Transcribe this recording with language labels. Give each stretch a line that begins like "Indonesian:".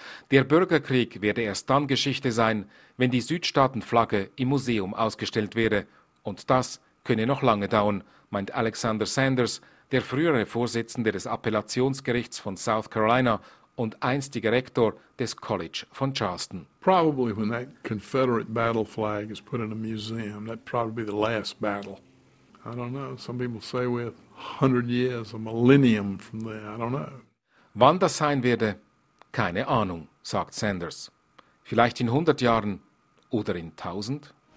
German: Der Bürgerkrieg werde erst dann Geschichte sein, wenn die Südstaatenflagge im Museum ausgestellt werde. Und das könne noch lange dauern, meint Alexander Sanders, der frühere Vorsitzende des Appellationsgerichts von South Carolina und einstiger Rektor des College von Charleston.
English: Probably when that Confederate battle flag is put in a museum, that probably be the last battle. I don't know. Some people say with 100 years, a millennium from there. I don't know.
German: Wann das sein werde, keine Ahnung, sagt Sanders. Vielleicht in 100 Jahren oder in 1000?